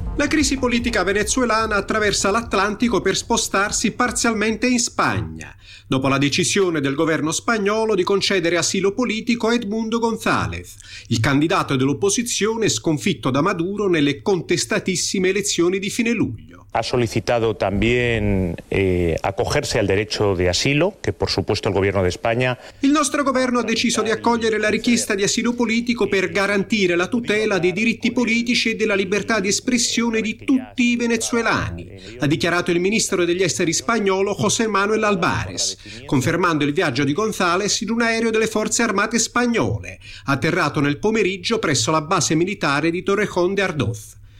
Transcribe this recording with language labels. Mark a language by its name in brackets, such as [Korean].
[Italian] La crisi politica venezuelana attraversa l'Atlantico per spostarsi parzialmente in Spagna, dopo la decisione del governo spagnolo di concedere asilo politico a Edmundo González, il candidato dell'opposizione sconfitto da Maduro nelle contestatissime elezioni di fine luglio. [Spanish] Ha solicitado también acogerse al derecho de asilo, que por supuesto el gobierno de España. [Italian] Il nostro governo ha deciso di accogliere la richiesta di asilo politico per garantire la tutela dei diritti politici e della libertà di espressione di tutti i venezuelani, ha dichiarato il ministro degli esteri spagnolo José Manuel Albares, confermando il viaggio di González in un aereo delle forze armate spagnole, atterrato nel pomeriggio presso la base militare di Torrejón de Ardoz.